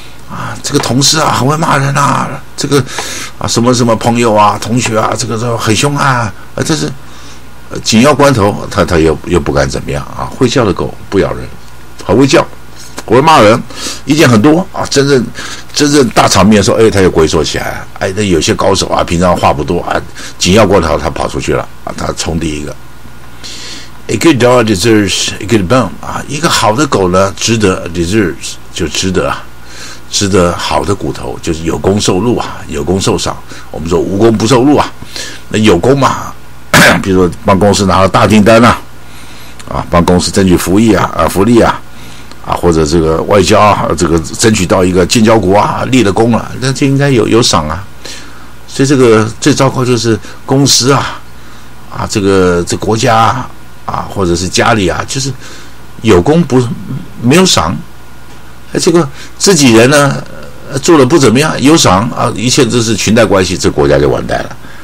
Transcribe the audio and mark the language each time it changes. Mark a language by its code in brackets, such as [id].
[zh] 啊，这个同事啊很会骂人啊，这个啊什么什么朋友啊同学啊，这个都很凶啊，这是紧要关头他又不敢怎么样啊，会叫的狗不咬人，很会叫会骂人，意见很多啊，真正大场面的时候，哎他又龟缩起来，哎那有些高手啊平常话不多啊，紧要关头他跑出去了啊，他冲第一个。 [en] A good dog deserves a good bone, [zh] 啊一个好的狗呢值得 deserves, 就值得啊。吃得好的骨头就是有功受禄啊，有功受赏，我们说无功不受禄啊，那有功嘛，比如说帮公司拿了大订单啊，啊帮公司争取服役啊啊福利啊啊，或者这个外交啊，这个争取到一个建交国啊立了功了、啊、那就应该有赏啊，所以这个最糟糕就是公司啊啊这国家啊啊或者是家里啊，就是有功不没有赏，这个自己人呢做的不怎么样有赏啊，一切都是裙带关系，这国家就完蛋了。